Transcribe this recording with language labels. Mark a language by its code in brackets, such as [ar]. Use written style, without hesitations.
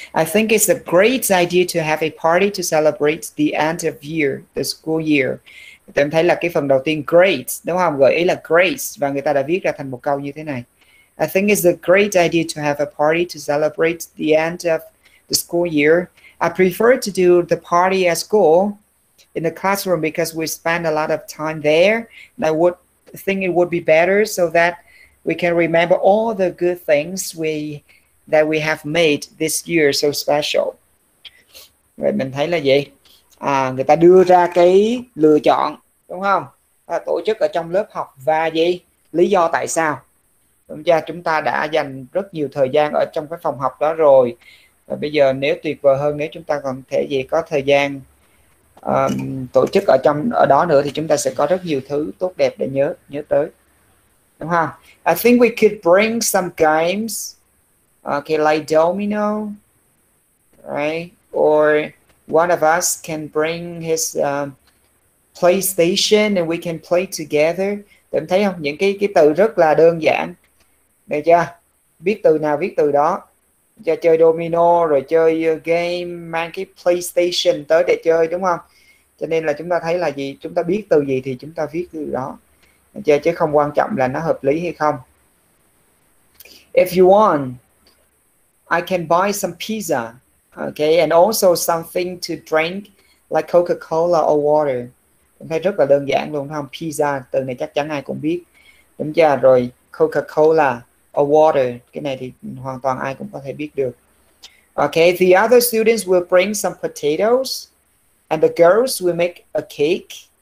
[en] I think it's a great idea to have a party to celebrate the end of year, the school year. [vi] Thì em thấy là cái phần đầu tiên great, đúng không? Gợi ý là great và người ta đã viết ra thành một câu như thế này. [en] I think it's a great idea to have a party to celebrate the end of the school year. I prefer to do the party at school in the classroom because we spend a lot of time there. And I would think it would be better so that we can remember all the good things that we have made this year so special. [vi] Vậy mình thấy là gì? À, người ta đưa ra cái lựa chọn đúng không? À, tổ chức ở trong lớp học và gì? Lý do tại sao? Đúng chưa? Chúng ta đã dành rất nhiều thời gian ở trong cái phòng học đó rồi. Và bây giờ nếu tuyệt vời hơn nếu chúng ta còn thể gì có thời gian tổ chức ở đó nữa thì chúng ta sẽ có rất nhiều thứ tốt đẹp để nhớ nhớ tới. Đúng không? [en] I think we could bring some games. Okay, like domino. Right? Or one of us can bring his PlayStation and we can play together. [vi] Em thấy không? Những cái từ rất là đơn giản. Được chưa? Biết từ nào viết từ đó. Cho chơi domino rồi chơi game mang cái PlayStation tới để chơi đúng không? Cho nên là chúng ta thấy là gì? Chúng ta biết từ gì thì chúng ta viết từ đó. Được chưa? Chứ không quan trọng là nó hợp lý hay không. [en] If you want, I can buy some pizza. Okay, and also something to drink like Coca-Cola or water. [vi] Em thấy rất là đơn giản luôn đúng không? Pizza, từ này chắc chắn ai cũng biết. Đúng chưa? Rồi [en] Coca-Cola or water, [vi] cái này thì hoàn toàn ai cũng có thể biết được. [en] Okay, the other students will bring some potatoes and the girls will make a cake.